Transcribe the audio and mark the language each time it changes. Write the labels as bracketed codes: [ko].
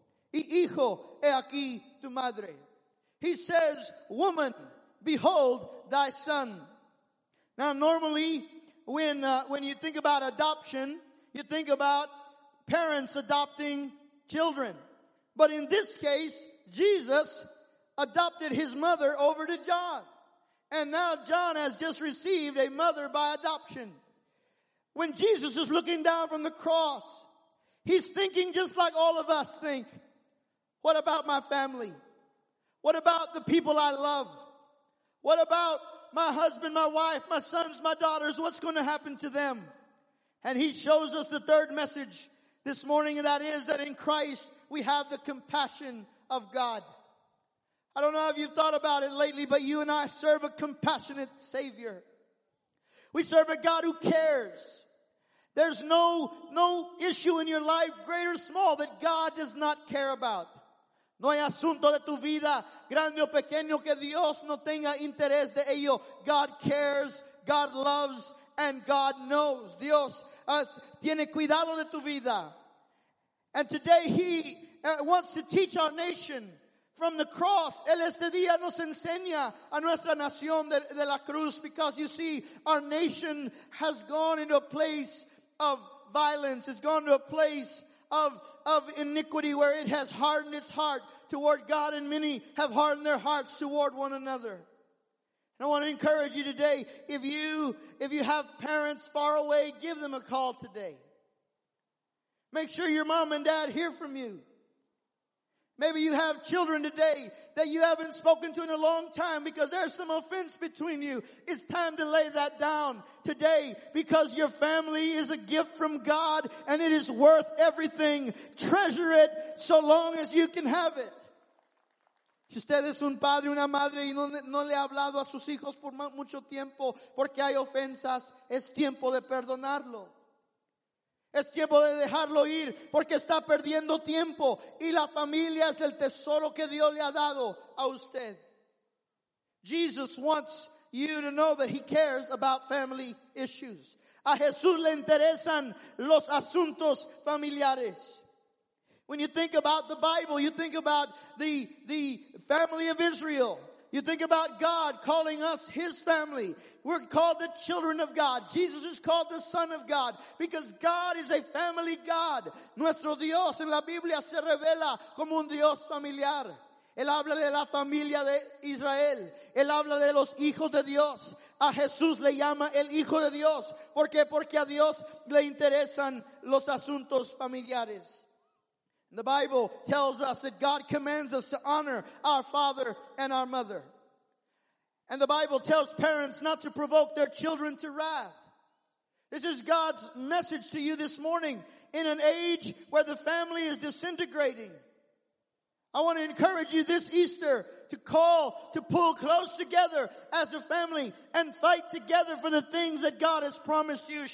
[es] Y hijo, he aquí tu madre. [en] He says, woman, behold thy son. Now normally, when you think about adoption, you think about parents adopting children. But in this case, Jesus adopted his mother over to John. And now John has just received a mother by adoption. When Jesus is looking down from the cross, he's thinking just like all of us think. What about my family? What about the people I love? What about my husband, my wife, my sons, my daughters? What's going to happen to them? And he shows us the third message this morning, and that is that in Christ we have the compassion of God. I don't know if you've thought about it lately, but you and I serve a compassionate Savior. We serve a God who cares. There's no issue in your life, great or small, that God does not care about. [es] No hay asunto de tu vida, grande o pequeño, que Dios no tenga interés de ello. [en] God cares, God loves, and God knows. [es] Dios tiene cuidado de tu vida. [en] And today He wants to teach our nation from the cross. [es] Él este día nos enseña a nuestra nación de la cruz, [en] because you see, our nation has gone into a place of violence, has gone to a place of iniquity, where it has hardened its heart toward God, and many have hardened their hearts toward one another. And I want to encourage you today, if you have parents far away, give them a call today. Make sure your mom and dad hear from you. Maybe you have children today that you haven't spoken to in a long time because there's some offense between you. It's time to lay that down today, because your family is a gift from God and it is worth everything. Treasure it so long as you can have it. [es] Si usted es un padre, una madre, y no le ha hablado a sus hijos por mucho tiempo porque hay ofensas, es tiempo de perdonarlo. Es tiempo de dejarlo ir porque está perdiendo tiempo, y la familia es el tesoro que Dios le ha dado a usted. [en] Jesus wants you to know that He cares about family issues. [es] A Jesús le interesan los asuntos familiares. [en] When you think about the Bible, you think about the family of Israel. You think about God calling us His family. We're called the children of God. Jesus is called the Son of God, because God is a family God. [es] Nuestro Dios en la Biblia se revela como un Dios familiar. Él habla de la familia de Israel. Él habla de los hijos de Dios. A Jesús le llama el Hijo de Dios. ¿Por qué? Porque a Dios le interesan los asuntos familiares. [en] The Bible tells us that God commands us to honor our father and our mother. And the Bible tells parents not to provoke their children to wrath. This is God's message to you this morning. In an age where the family is disintegrating, I want to encourage you this Easter to call to pull close together as a family and fight together for the things that God has promised you.